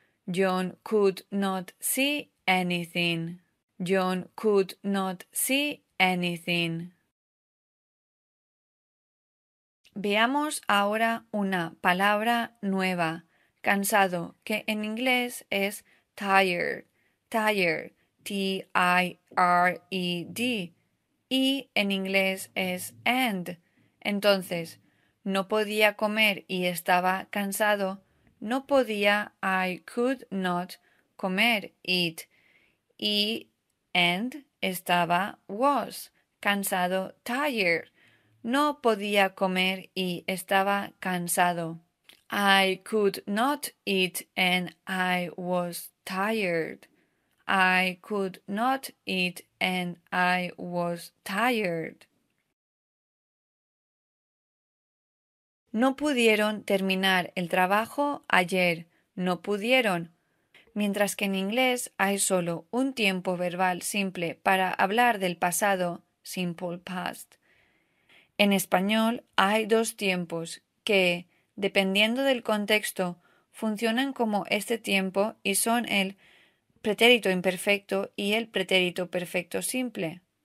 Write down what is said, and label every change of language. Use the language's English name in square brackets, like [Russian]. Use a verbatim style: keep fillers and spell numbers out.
[English] John could not see anything. John could not see anything. [Spanish] Veamos ahora una palabra nueva, cansado, que en inglés es tired, tired. T I R E D, y en inglés es and. Entonces, no podía comer y estaba cansado. No podía, [English] I could not, [Spanish] comer, [English] eat. [Spanish] Y [English] and [Spanish] estaba, [English] was, [Spanish] cansado, [English] tired. [Spanish] No podía comer y estaba cansado. [English] I could not eat and I was tired. I could not eat and I was tired. [Spanish] No pudieron terminar el trabajo ayer. No pudieron. Mientras que en inglés hay solo un tiempo verbal simple para hablar del pasado, simple past. En español hay dos tiempos que, dependiendo del contexto, funcionan como este tiempo y son el pretérito imperfecto y el pretérito perfecto simple.